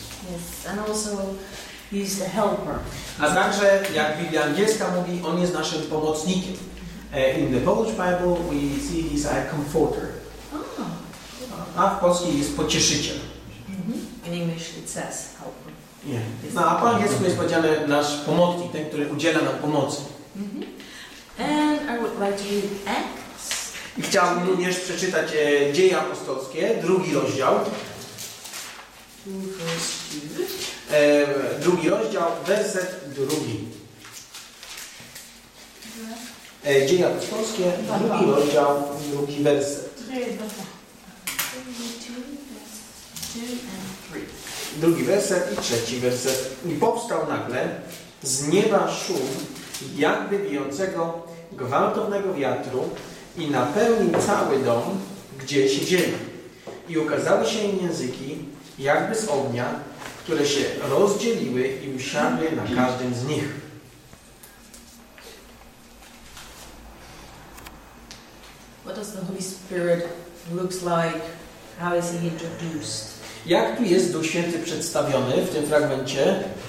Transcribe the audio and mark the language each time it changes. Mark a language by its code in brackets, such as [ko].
[en] Yes, and also he's the helper. [pl] A także, jak Biblia angielska mówi, on jest naszym pomocnikiem. [en] In the Polish Bible we see he's a comforter. Oh. [pl] A w polskim jest pocieszyciel. Mm-hmm. [en] In English it says helper. Yeah. [pl] No, a po angielsku jest powiedziane nasz pomocnik, ten, który udziela nam pomocy. Mm-hmm. [en] And I would like to read Acts. [pl] I chciałbym również przeczytać Dzieje Apostolskie, drugi rozdział. Drugi rozdział, werset drugi. Dzieje Apostolskie, drugi rozdział, drugi werset. Drugi werset i trzeci werset. I powstał nagle z nieba szum jakby bijącego gwałtownego wiatru i napełnił cały dom, gdzie siedzieli. I ukazały się im języki jakby z ognia, które się rozdzieliły i usiadły na każdym z nich. [en] What does the Holy Spirit looks like? How is he introduced? [pl] Jak tu jest Duch Święty przedstawiony w tym fragmencie?